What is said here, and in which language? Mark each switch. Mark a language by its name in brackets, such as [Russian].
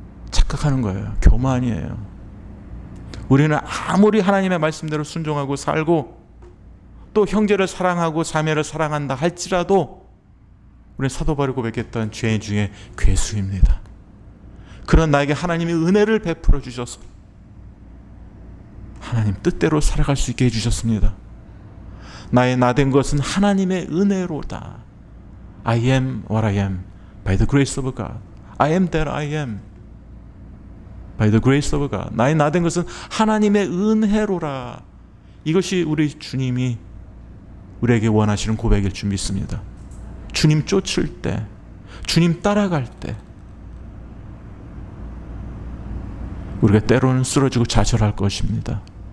[Korean] 착각하는 거예요. 교만이에요. 우리는 아무리 하나님의 말씀대로 순종하고 살고 또 형제를 사랑하고 자매를 사랑한다 할지라도 우리 사도바울이 고백했던 죄인 중에 괴수입니다. 그런 나에게 하나님이 은혜를 베풀어 주셔서 하나님 뜻대로 살아갈 수 있게 해주셨습니다. 나의 나된 것은 하나님의 은혜로다. [English] I am what I am by the grace of God. I am that I am by the grace of God. [Korean] 나의 나된 것은 하나님의 은혜로라. 이것이 우리 주님이 우리에게 원하시는 고백일 줄 믿습니다. 주님 쫓을 때, 주님 따라갈 때 우리가 때로는 쓰러지고 좌절할 것입니다.